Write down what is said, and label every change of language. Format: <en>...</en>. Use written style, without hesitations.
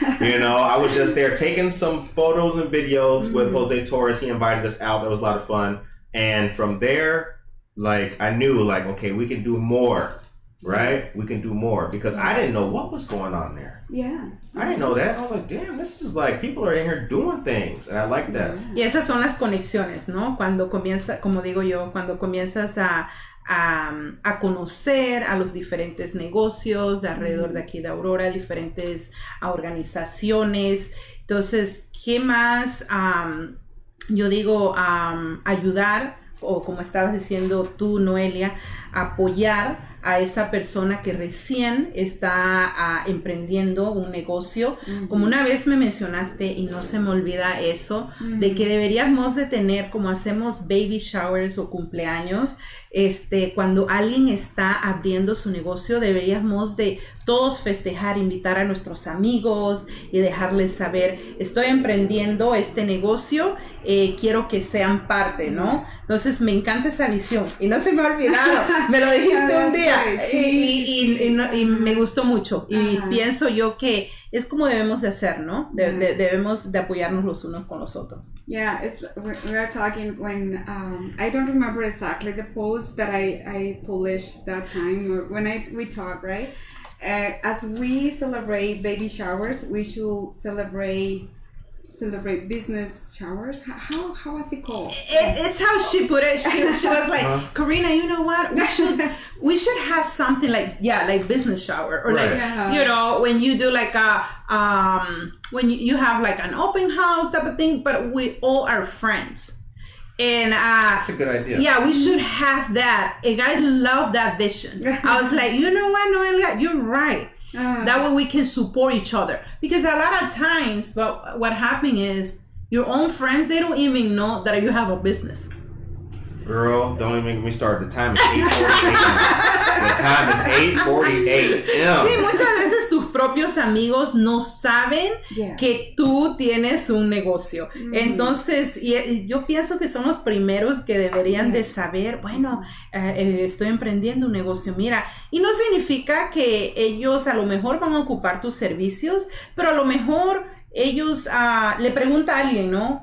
<en>You know, I was just there taking some photos and videos with Jose Torres. He invited us out. That was a lot of fun. And from there, like, I knew, like, okay, we can do more, right? We can do more because I didn't know what was going on there. Yeah. I didn't know that. I was like, damn, this is like people are in here doing things. And I like that.</en> <es>Y esas son las conexiones, ¿no? Cuando comienza, como digo yo, cuando comienzas a conocer a los diferentes negocios de alrededor de aquí de Aurora, diferentes organizaciones. Entonces, ¿qué más? Yo digo, ayudar, o como estabas diciendo tú, Noelia, apoyar a esa persona que recién está emprendiendo un negocio. Como una vez me mencionaste, y no se me olvida eso, de que deberíamos de tener, como hacemos baby showers o cumpleaños, cuando alguien está abriendo su negocio, deberíamos de todos festejar, invitar a nuestros amigos y dejarles saber, estoy emprendiendo este negocio, quiero que sean parte, ¿no? Entonces, me encanta esa visión. Y no se me ha olvidado. Me lo dijiste un día. Y me gustó mucho. Y pienso yo que es como debemos de hacer, ¿no? Debemos de apoyarnos los unos con los otros.</es> <en>Yeah, we are talking when, I don't remember exactly the post that I published that time, or when we talk, right? As we celebrate baby showers, we should celebrate business showers. How was it called? It's how she put it. She was like, Karina, you know what? We should have something like, like business shower. Or you know, when you do like a, when you have like an open house type of thing, but we all are friends. And that's a good idea. Yeah, we should have that. And I love that vision. I was like, you know what, Noelia? You're right. That way we can support each other. Because a lot of times, what happens is your own friends, they don't even know that you have a business. Girl, don't even get me started. The time is 8:48. The time is 8:48.</en> <es>Sí, muchas veces tus propios amigos no saben que tú tienes un negocio. Mm-hmm. Entonces, y yo pienso que son los primeros que deberían de saber, bueno, estoy emprendiendo un negocio. Mira, y no significa que ellos a lo mejor van a ocupar tus servicios, pero a lo mejor ellos le pregunta a alguien, ¿no?</es>